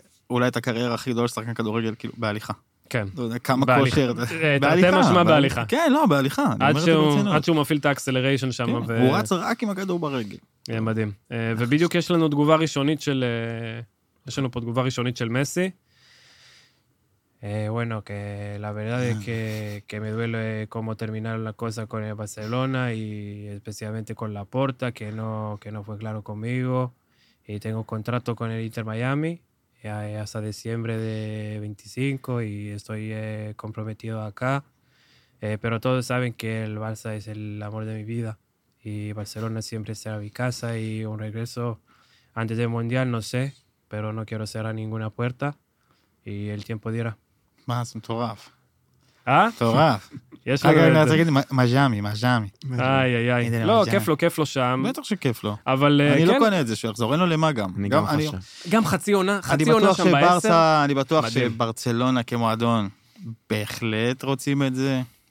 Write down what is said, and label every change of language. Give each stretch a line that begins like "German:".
Hebrew: אולי את הקריירה הכי גדולה של שחקן כדורגל, כאילו, בהליכה. כן. כמה כושר. בהליכה. אתם משמע בהליכה. כן, לא, בהליכה. עד שהוא מפעיל את האקסלריישן שם. הוא רץ רק עם הכדור ברגל. מדהים. ובדיוק יש לנו תגובה ראשונית של... יש לנו פה תגובה ראשונית של מסי.
Spanish: Bueno, que la verdad es que me duele cómo terminaron las cosas con el Barcelona y especialmente con Laporta, que no fue claro conmigo. Y tengo contrato con el Inter Miami hasta diciembre de 25 y estoy comprometido acá. Pero todos saben que el Barça es el amor de mi vida y Barcelona siempre será mi casa y un regreso antes del Mundial, no sé, pero no quiero cerrar ninguna puerta y el tiempo dirá.
Hebrew: מה, מטורף. אה? מטורף. יש לך... אגב, אני רוצה להגיד, מג'אמי. איי, איי, איי. לא, כיף לו שם. בטח שכיף לו. אבל כן? אני לא קונה את זה, שיחזור, אין לו למה גם. אני גם חושב. גם חצי עונה שם בעשר. אני בטוח שברצלונה כמועדון בהחלט רוצים את זה.